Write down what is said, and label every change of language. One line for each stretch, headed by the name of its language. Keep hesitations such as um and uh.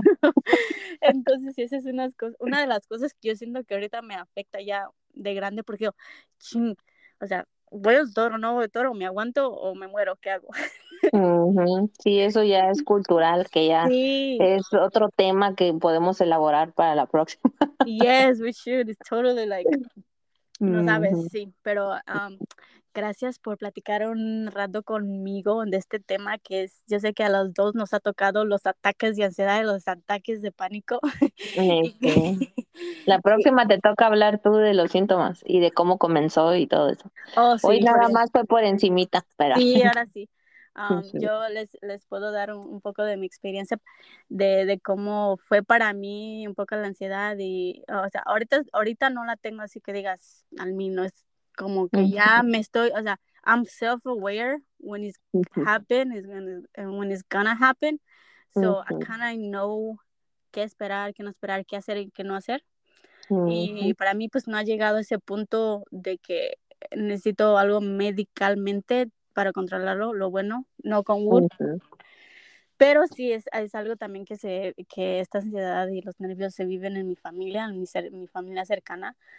Spanish: Entonces, esa es una, cosa, una de las cosas que yo siento que ahorita me afecta ya de grande porque yo, ching, o sea, voy toro, no voy toro, me aguanto o me muero, ¿qué hago? Mm -hmm. Sí, eso ya es cultural, que ya sí. es otro tema que podemos elaborar para la próxima.
English: Yes, we should, it's totally like, mm -hmm.
Spanish: ¿no sabes? sí, pero... Um, gracias por platicar un rato conmigo de este tema que es, yo sé que a los dos nos ha tocado los ataques de ansiedad y los ataques de pánico. Sí, sí. la próxima te toca hablar tú de los síntomas y de cómo comenzó y todo eso. Oh, sí, Hoy pues. nada más fue por encimita. Ahora sí, ahora um, sí. Yo les, les puedo dar un, un poco de mi experiencia de, de, cómo fue para mí un poco la ansiedad y, oh, o sea, ahorita, ahorita no la tengo así que digas, al mí no es como que uh -huh. ya me estoy, o sea,
English: I'm self aware when it's uh -huh. happen, it's gonna, when it's gonna happen. So uh -huh. I kind of know
Spanish: qué esperar, qué no esperar, qué hacer y qué no hacer. Y para mí, pues no ha llegado ese punto de que necesito algo medicalmente para controlarlo, lo bueno, no con wood. Pero sí es, es, algo también que, se, que esta ansiedad y los nervios se viven en mi familia, en mi, ser, en mi familia cercana.